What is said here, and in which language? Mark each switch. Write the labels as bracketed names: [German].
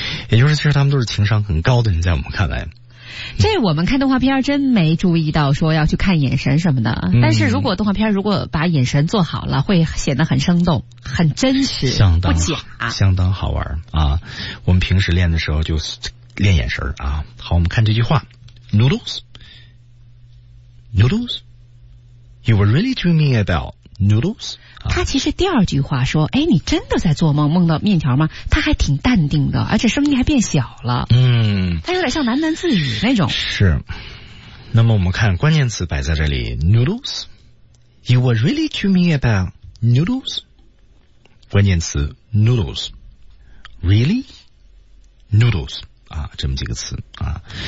[Chinese] 也就是其实他们都是情商很高的人，在我们看来这我们看动画片真没注意到说要去看眼神什么的、但是如果动画片如果把眼神做好了会显得很生动很真实相当不假相当好玩啊！我们平时练的时候就练眼神啊。好我们看这句话 [English] Noodles Noodles You were really dreaming about Noodles [Chinese] 他其实第二句话说哎，你真的在做梦梦到面条吗他还挺淡定的而且声音还变小了嗯，他有点像喃喃自语那种是那么我们看关键词摆在这里 [English] noodles you were really dreaming about noodles [Chinese] 关键词 [English] noodles really noodles [Chinese] 啊，这么几个词啊。